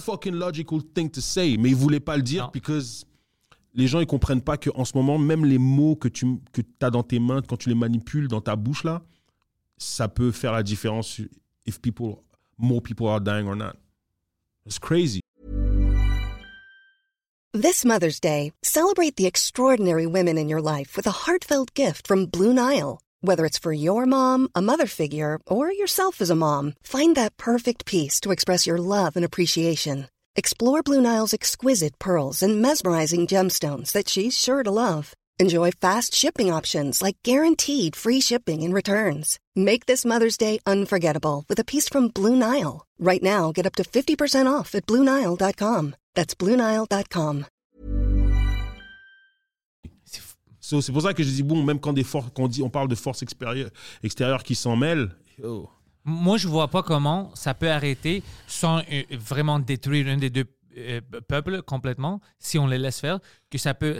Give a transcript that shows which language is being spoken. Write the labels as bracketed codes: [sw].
[fr] C'est [en] fucking logical thing to say, [fr] mais il voulait pas le dire [en] because [fr] les gens, ils comprennent pas qu'en ce moment, même les mots que t'as dans tes mains, quand tu les manipules dans ta bouche, là, ça peut faire la différence [en] if people, more people are dying or not. It's crazy. This Mother's Day, celebrate the extraordinary women in your life with a heartfelt gift from Blue Nile. Whether it's for your mom, a mother figure, or yourself as a mom, find that perfect piece to express your love and appreciation. Explore Blue Nile's exquisite pearls and mesmerizing gemstones that she's sure to love. Enjoy fast shipping options like guaranteed free shipping and returns. Make this Mother's Day unforgettable with a piece from Blue Nile. Right now, get up to 50% off at BlueNile.com. That's BlueNile.com. [fr] So, c'est pour ça que je dis, bon, même quand des forces, qu'on dit, on parle de forces extérieures qui s'en mêlent. Oh. Moi, je vois pas comment ça peut arrêter sans vraiment détruire un des deux peuples complètement, si on les laisse faire, que ça peut